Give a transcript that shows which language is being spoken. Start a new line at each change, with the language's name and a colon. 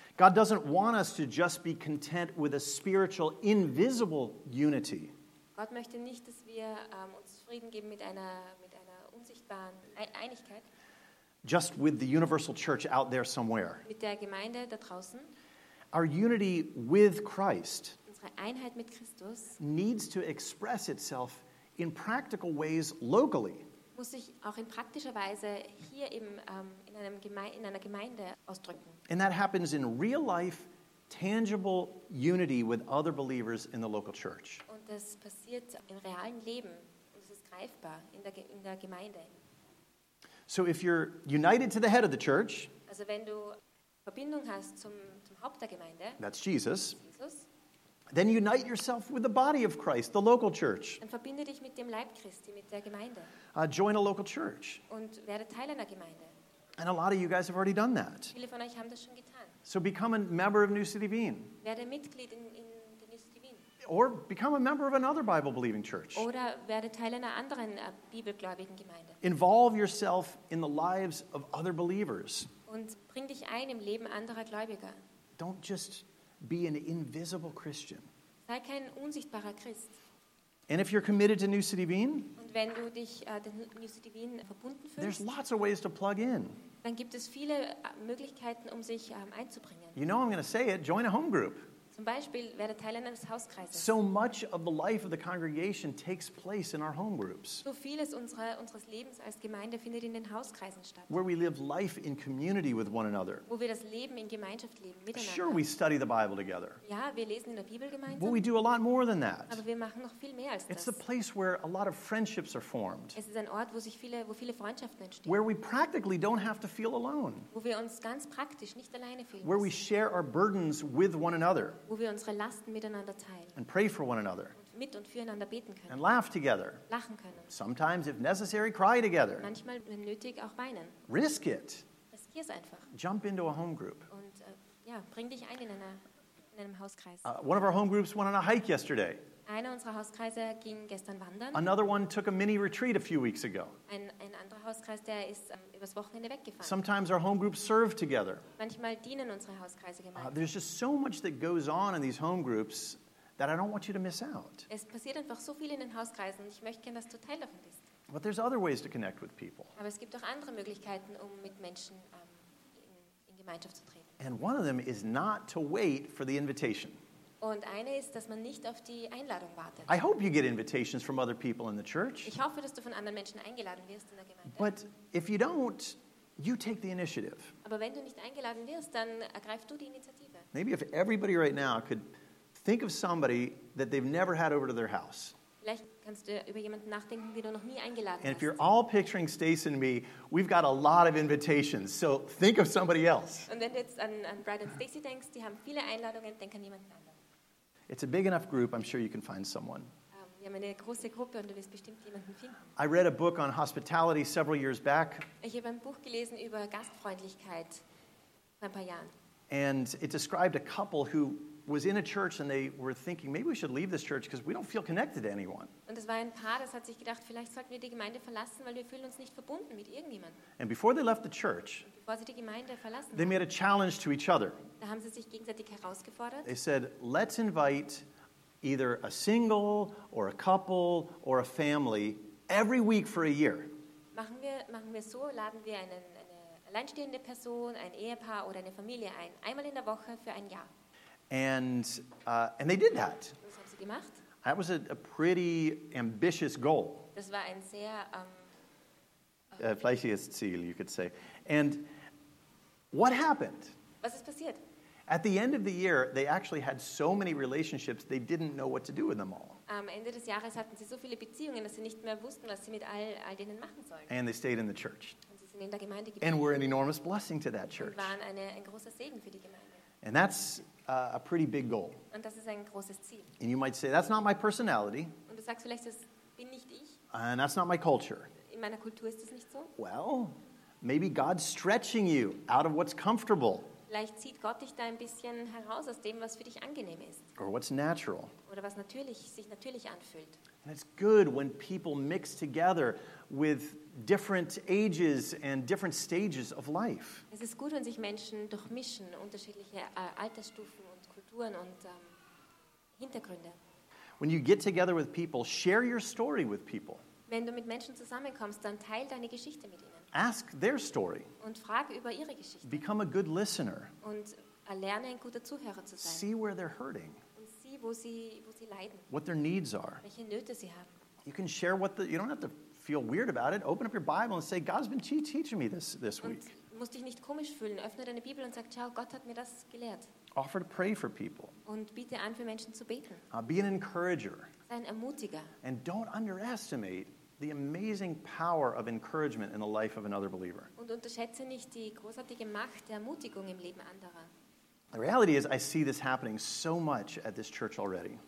English: God doesn't want us to just be content with a spiritual, invisible unity.
German: Gott möchte nicht, dass wir uns Frieden geben mit einer unsichtbaren Einigkeit.
English: Just with the universal church out there somewhere.
German: Mit der Gemeinde da draußen.
English: Our unity with Christ.
German: Unsere Einheit mit Christus.
English: Needs to express itself in practical ways locally.
German: Muss sich auch in praktischer Weise hier im in einer Gemeinde ausdrücken.
English: And that happens in real life, tangible unity with other believers in the local church.
German: Und das passiert im realen Leben und es ist greifbar in der Gemeinde.
English: So if you're united to the head of the church,
German: also wenn du Verbindung hast zum Haupt der Gemeinde,
English: that's Jesus,
German: Jesus,
English: then unite yourself with the body of Christ, the local church.
German: Dann verbinde dich mit dem Leib Christi, mit der Gemeinde.
English: Join a local church.
German: Und werde Teil einer Gemeinde.
English: And a lot of you guys have already done that.
German: Viele von euch haben das schon getan.
English: So become a member of New City Bean.
German: Werde Mitglied in the New City Bean.
English: Or become a member of another Bible-believing church.
German: Oder werde Teil einer anderen bibelgläubigen Gemeinde.
English: Involve yourself in the lives of other believers.
German: Und bring dich ein im Leben anderer Gläubiger.
English: Don't just be an invisible Christian.
German: Sei kein unsichtbarer Christ.
English: And if you're committed to New City Bean,
German: und wenn du dich den New City Bean verbunden fühlst,
English: there's lots of ways to plug in.
German: Dann gibt es viele Möglichkeiten, um sich einzubringen.
English: You know I'm going to say it, join a home group.
German: Zum Beispiel werde Teil eines Hauskreises.
English: So much of the life of the congregation takes place in our home groups.
German: So vieles unseres Lebens als Gemeinde findet in den Hauskreisen statt.
English: Where we live life in community with one another.
German: Wo wir das Leben in Gemeinschaft leben miteinander.
English: Sure, we study the Bible together.
German: Ja, wir lesen in der Bibel gemeinsam.
English: But we do a lot more than that.
German: Aber wir machen noch viel mehr als das.
English: It's the place where a lot of friendships are formed.
German: Es ist ein Ort, wo viele Freundschaften entstehen.
English: Where we practically don't have to feel alone.
German: Wo wir uns ganz praktisch nicht alleine fühlen.
English: Where we share our burdens with one another.
German: Wo wir unsere Lasten miteinander teilen.
English: And pray for one another.
German: Und mit und füreinander beten können.
English: And laugh together.
German: Lachen können.
English: Sometimes, if necessary, cry together.
German: Manchmal, wenn nötig, auch weinen.
English: Risk it.
German: Riskier es einfach.
English: Jump into a home group.
German: Und bring dich ein in einem Hauskreis.
English: One of our home groups went on a hike yesterday.
German: Einer unserer Hauskreise ging gestern wandern.
English: Another one took a mini retreat a few weeks ago.
German: Ein anderer Hauskreis, der ist übers Wochenende weggefahren.
English: Sometimes our home groups serve together.
German: Manchmal dienen unsere Hauskreise gemeinsam.
English: There's just so much that goes on in these home groups that I don't want you to miss out.
German: Es passiert einfach so viel in den Hauskreisen und ich möchte gerne, dass du Teil davon bist.
English: But there's other ways to connect with people.
German: Aber es gibt auch andere Möglichkeiten, um mit Menschen in Gemeinschaft zu treten.
English: And one of them is not to wait for the invitation.
German: Und eine ist, dass man nicht auf die Einladung wartet.
English: I hope you get invitations from other people in the church.
German: Ich hoffe, dass du von anderen Menschen eingeladen wirst in der Gemeinde.
English: But if you don't, you take the initiative.
German: Aber wenn du nicht eingeladen wirst, dann ergreifst du die Initiative.
English: Maybe if everybody right now could think of somebody that they've never had over to their house.
German: Vielleicht kannst du über jemanden nachdenken, den du noch nie eingeladen hast.
English: And if you're all picturing Stace and me, we've got a lot of invitations. So think of somebody else.
German: Und wenn du jetzt an Brad und Stacey denkst, die haben viele Einladungen, denk an jemanden anderen.
English: It's a big enough group, I'm sure you can find someone.
German: Wir haben eine große Gruppe und du wirst bestimmt jemanden finden.
English: I read a book on hospitality several years back.
German: Ich habe ein Buch gelesen über Gastfreundlichkeit vor ein paar Jahren.
English: And it described a couple who was in a church and they were thinking, maybe we should leave this church because we don't feel connected to anyone.
German: Und es war ein Paar, das hat sich gedacht, vielleicht sollten wir die Gemeinde verlassen, weil wir fühlen uns nicht verbunden mit irgendjemandem.
English: And before they left the church,
German: bevor sie die Gemeinde verlassen,
English: they made a challenge to each other.
German: Da haben sie sich gegenseitig herausgefordert.
English: They said, let's invite either a single or a couple or a family every week for a year.
German: Machen wir so, laden wir eine alleinstehende Person, ein Ehepaar oder eine Familie ein, einmal in der Woche für ein Jahr.
English: And they did that.
German: Was haben sie gemacht?
English: That was a pretty ambitious goal.
German: Das war ein sehr fleischiges Ziel,
English: you could say. And What happened?
German: Was ist passiert?
English: At the end of the year, they actually had so many relationships, they didn't know what to do with them all.
German: Am Ende des Jahres hatten sie so viele Beziehungen, dass sie nicht mehr wussten, was sie mit all denen machen sollen.
English: And they stayed in the church.
German: Und sie sind in der Gemeinde geblieben.
English: And were an enormous blessing to that church.
German: Und waren ein großer Segen für die Gemeinde.
English: And that's a pretty big goal.
German: Und das ist ein großes Ziel.
English: And you might say, that's not my personality.
German: Und du sagst vielleicht, das bin nicht ich.
English: And that's not my culture.
German: In meiner Kultur ist das nicht so.
English: Well, maybe God's stretching you out of what's comfortable.
German: Vielleicht zieht Gott dich da ein bisschen heraus aus dem, was für dich angenehm ist.
English: Or what's natural.
German: Oder was natürlich, sich natürlich anfühlt.
English: And it's good when people mix together with different ages and different stages of life.
German: Es ist gut, wenn sich Menschen durchmischen, unterschiedliche Altersstufen und Kulturen und Hintergründe.
English: When you get together with people, share your story with people.
German: Wenn du mit Menschen zusammenkommst, dann teil deine Geschichte mit ihnen.
English: Ask their story.
German: Und frag über ihre Geschichte.
English: Become a good listener.
German: Und erlerne, ein guter Zuhörer zu sein.
English: See where they're hurting.
German: Und sieh, wo sie leiden.
English: What their needs are.
German: Welche Nöte sie haben.
English: You can share you don't have to feel weird about it. Open up your Bible and say, God's been teaching me this week.
German: Du musst dich nicht komisch fühlen. Öffne deine Bibel und sag, ciao, Gott hat mir das gelehrt.
English: Offer to pray for people.
German: Und biete an, für Menschen zu beten.
English: Be an encourager.
German: Sei ein Ermutiger.
English: And don't underestimate the amazing power of encouragement in the life of another believer.
German: Und unterschätze nicht die großartige Macht der Ermutigung im Leben anderer.
English: The reality is, I see this happening so much at this church already.